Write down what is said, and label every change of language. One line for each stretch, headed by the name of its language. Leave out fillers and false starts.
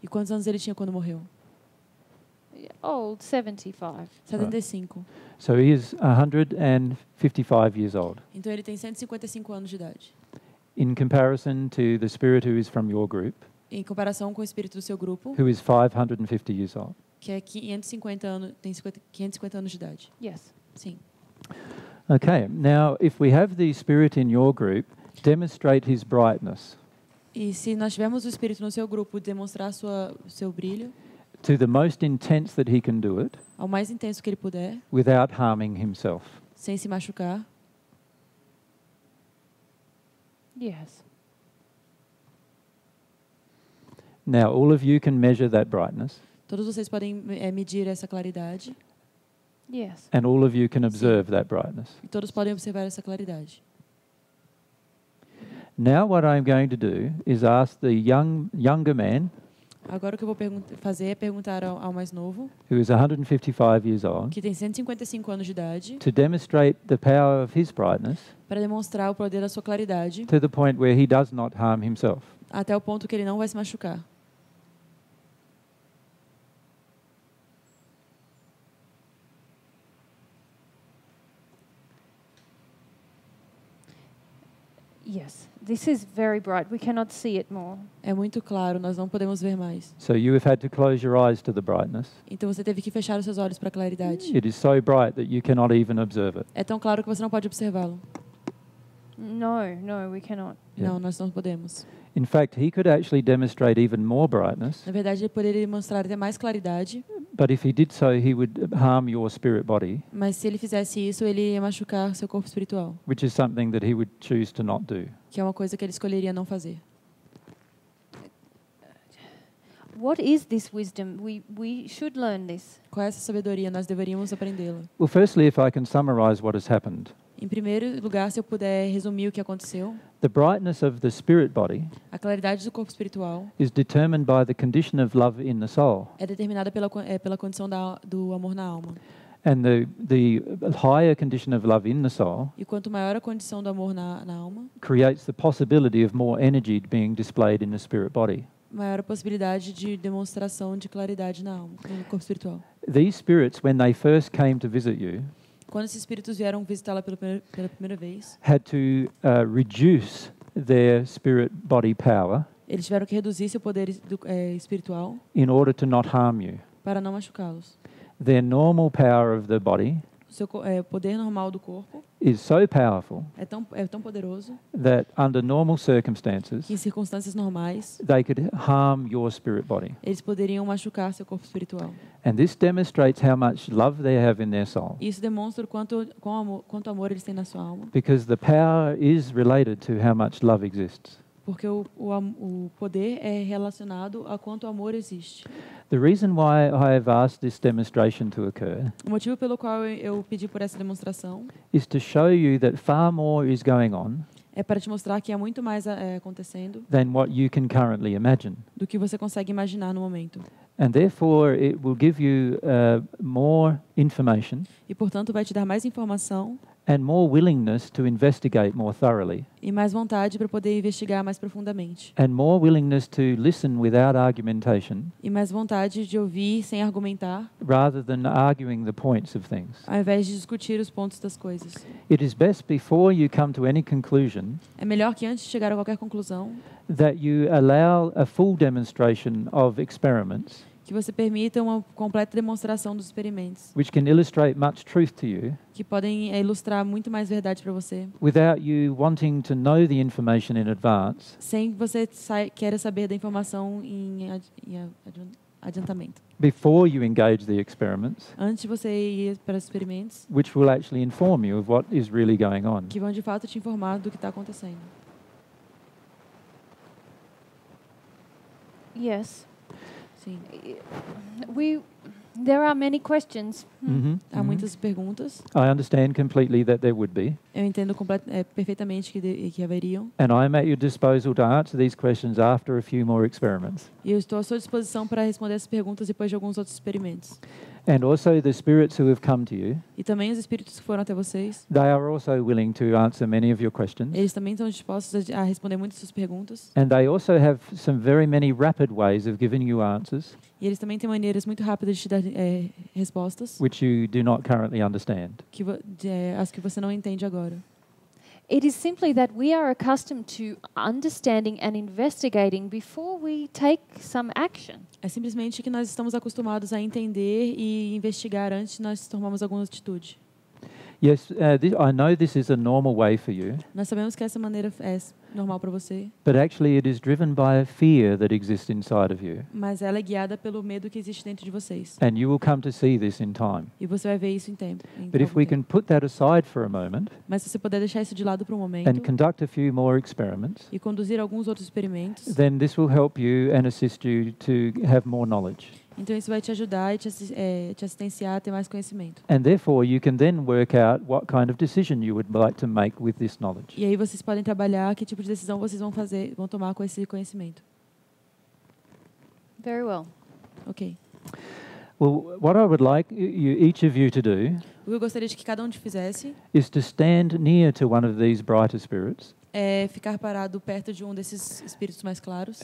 Portuguese: E quantos anos ele tinha quando morreu?
English: Old, 75. 75. Right. So he is 155 years old.
Portuguese: Então ele tem 155 anos de idade.
English: In comparison to the spirit who is from your group.
Portuguese: Em comparação com o espírito do seu grupo.
English: Who is 550 years old.
Portuguese: Que é 550 anos, tem 550 anos de idade.
English: Yes.
Portuguese: Sim.
English: Okay. Now, if we have the spirit in your group, demonstrate his brightness.
Portuguese: E se nós tivermos o espírito no seu grupo, demonstrar seu brilho.
English: To the most intense that he can do it.
Portuguese: Ao mais intenso que ele puder.
English: Without harming himself.
Portuguese: Sem se machucar.
English: Yes. Now, all of you can measure that brightness.
Portuguese: Todos vocês podem medir essa claridade.
English: Yes. And all of you can observe that brightness.
Portuguese: E todos podem observar essa claridade.
English: Now, what I'm going to do is ask the younger man.
Portuguese: Agora o que eu vou fazer é perguntar ao mais novo.
English: Who is 155 years old?
Portuguese: Que tem 155 anos de idade.
English: To demonstrate the power of his brightness.
Portuguese: Para demonstrar o poder da sua claridade.
English: To the point where he does not harm himself.
Portuguese: Até o ponto que ele não vai se machucar.
English: Yes, this is very bright. We cannot see it more.
Portuguese: É muito claro, nós não podemos ver mais.
English: So you have had to close your eyes to the brightness.
Portuguese: Então você teve que fechar os seus olhos para a claridade.
English: It is so bright that you cannot even observe it.
Portuguese: É tão claro que você não pode observá-lo.
English: No, we cannot.
Portuguese: Yeah. Não, nós não podemos.
English: In fact, he could actually demonstrate even more brightness.
Portuguese: Na verdade, ele poderia demonstrar até mais claridade.
English: But if he did so, he would harm your spirit body.
Portuguese: Mas se ele fizesse isso, ele ia machucar seu corpo espiritual.
English: Which is something that he would choose to not do.
Portuguese: Que é uma coisa que ele escolheria não fazer.
English: What is this wisdom? We should learn this.
Portuguese: Qual é essa sabedoria? Nós deveríamos aprendê-la.
English: Well, firstly, if I can summarize what has happened.
Portuguese: Em primeiro lugar, se eu puder resumir o que aconteceu.
English: The brightness of the spirit body.
Portuguese: A claridade do corpo espiritual.
English: Is determined by the condition of love in the soul.
Portuguese: É determinada pela condição do amor na alma.
English: And the higher condition of love in the soul.
Portuguese: E quanto maior a condição do amor na alma.
English: Creates the possibility of more energy being displayed in the spirit body.
Portuguese: Maior a possibilidade de demonstração de claridade na alma, no corpo espiritual.
English: These spirits, when they first came to visit you.
Portuguese: Quando esses espíritos vieram visitá-la pela primeira vez,
English: had to reduce their spirit body power.
Portuguese: Eles tiveram que reduzir seu poder espiritual.
English: In order to not harm you.
Portuguese: Para não machucá-los.
English: Their normal power of the body.
Portuguese: seu poder normal do corpo
English: is so powerful
Portuguese: é tão poderoso
English: that under normal circumstances,
Portuguese: que em circunstâncias normais
English: they could harm your spirit body.
Portuguese: Eles poderiam machucar seu corpo espiritual.
English: And this demonstrates how much love they have in their soul.
Portuguese: Isso demonstra quanto amor eles têm na sua alma.
English: Because the power is related to how much love exists.
Portuguese: Porque o poder é relacionado a quanto amor existe.
English: The reason why I have asked this demonstration to occur.
Portuguese: O motivo pelo qual eu pedi por essa demonstração.
English: Is to show you that far more is going on.
Portuguese: É para te mostrar que há muito mais acontecendo.
English: Than what you can currently imagine.
Portuguese: Do que você consegue imaginar no momento.
English: And therefore it will give you more information.
Portuguese: E portanto vai te dar mais informação.
English: And more willingness to investigate more thoroughly.
Portuguese: E mais vontade para poder investigar mais profundamente.
English: And more willingness to listen without argumentation.
Portuguese: E mais vontade de ouvir sem argumentar.
English: Rather than arguing the points of things.
Portuguese: Ao invés de discutir os pontos das coisas.
English: It is best before you come to any conclusion.
Portuguese: É melhor que antes de chegar a qualquer conclusão.
English: That you allow a full demonstration of experiments.
Portuguese: Que você permita uma completa demonstração dos experimentos.
English: Which can illustrate much truth to you,
Portuguese: que podem ilustrar muito mais verdade para você.
English: Without you wanting to know the information in advance,
Portuguese: sem que você queira saber da informação em adiantamento.
English: Before you engage the experiments,
Portuguese: antes de você ir para os experimentos.
English: Which will actually inform you of what is really going on.
Portuguese: Que vão de fato te informar do que está acontecendo.
English: Yes.
Portuguese: Sim.
English: There are many questions. Mm-hmm.
Portuguese: Há muitas perguntas.
English: I understand completely that there would be.
Portuguese: Eu entendo perfeitamente que haveriam.
English: And I am at your disposal to answer these questions after a few more experiments.
Portuguese: E eu estou à sua disposição para responder essas perguntas depois de alguns outros experimentos.
English: And also the spirits who have come to you.
Portuguese: E também os espíritos que foram até vocês.
English: They are also willing to answer many of your questions.
Portuguese: Eles também estão dispostos a responder muitas suas perguntas.
English: And they also have some very many rapid ways of giving you answers.
Portuguese: E eles também têm maneiras muito rápidas de te dar respostas.
English: Which you do not currently understand.
Portuguese: As que você não entende agora.
English: It is simply that we are accustomed to understanding and investigating before we take some action.
Portuguese: É simplesmente que nós estamos acostumados a entender e investigar antes de nós tomarmos alguma atitude.
English: Yes, I know this is a normal way for you.
Portuguese: Nós sabemos que essa maneira é normal para você.
English: But actually it is driven by a fear that exists inside of you.
Portuguese: Mas ela é guiada pelo medo que existe dentro de vocês.
English: And you will come to see this in time.
Portuguese: E você vai ver isso em tempo.
English: But if we can put that aside for a moment.
Portuguese: Mas se você puder deixar isso de lado por um momento.
English: And conduct a few more experiments.
Portuguese: E conduzir alguns outros experimentos.
English: Then this will help you and assist you to have more knowledge.
Portuguese: Então isso vai te ajudar e te assistenciar a ter mais conhecimento.
English: And therefore you can then work out what kind of decision you would like to make with this knowledge.
Portuguese: E aí vocês podem trabalhar que tipo de decisão vocês vão tomar com esse conhecimento.
English: Very well. Okay. Well, what I would like each of you to do.
Portuguese: O que eu gostaria de que cada um de fizesse.
English: Is to stand near to one of these brighter spirits.
Portuguese: É ficar parado perto de um desses espíritos mais claros.